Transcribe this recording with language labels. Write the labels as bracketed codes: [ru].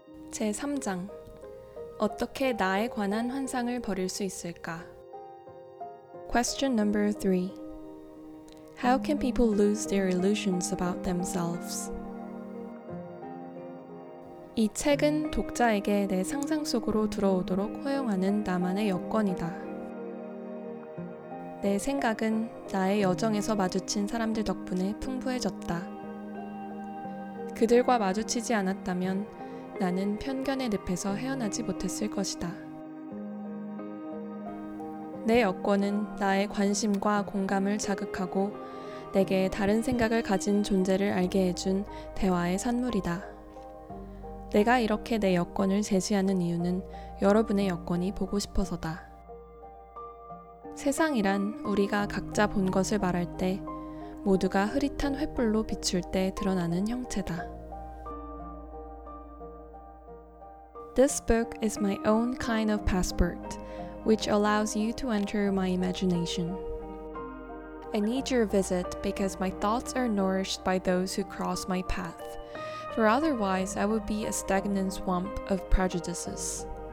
[ko] (제3장) 어떻게 나에 관한 환상을 버릴 수 있을까? [en] Question number 3. How can people lose their illusions about themselves? [ko] 이 책은 독자에게 내 상상 속으로 들어오도록 허용하는 나만의 여권이다. 내 생각은 나의 여정에서 마주친 사람들 덕분에 풍부해졌다. 그들과 마주치지 않았다면 나는 편견의 늪에서 헤어나지 못했을 것이다. 내 여권은 나의 관심과 공감을 자극하고 내게 다른 생각을 가진 존재를 알게 해준 대화의 산물이다. 내가 이렇게 내 여권을 제시하는 이유는 여러분의 여권이 보고 싶어서다. 세상이란 우리가 각자 본 것을 말할 때 모두가 흐릿한 횃불로 비출 때 드러나는 형체다. [en] This book is my own kind of passport, which allows you to enter my imagination. I need your visit because my thoughts are nourished by those who cross my path. For otherwise, I would be a stagnant swamp of prejudices.